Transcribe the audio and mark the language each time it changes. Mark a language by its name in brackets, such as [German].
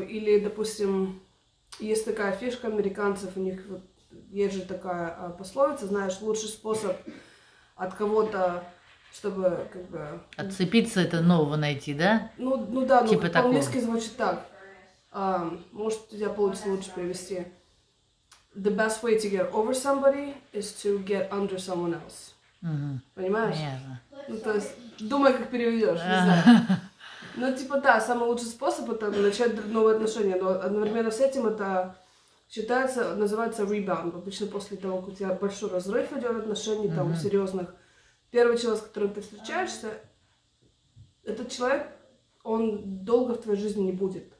[Russian] Или, допустим, есть такая фишка американцев, у них вот... Есть же такая пословица, знаешь, лучший способ от кого-то, чтобы как бы... Отцепиться, это нового найти, да? Ну, ну да, типа, ну, по-английски звучит так. Может, у тебя получится лучше перевести. [English] The best way to get over somebody is to get under someone else. [Russian] Понимаешь? Понятно. Ну, то есть, думай, как переведешь, не знаю. Ну, типа, да, самый лучший способ — это начать новые отношения. Но одновременно с этим это... Считается, называется rebound. Обычно после того, как у тебя большой разрыв идет в отношении, там, серьезных. Первый человек, с которым ты встречаешься, этот человек, он долго в твоей жизни не будет.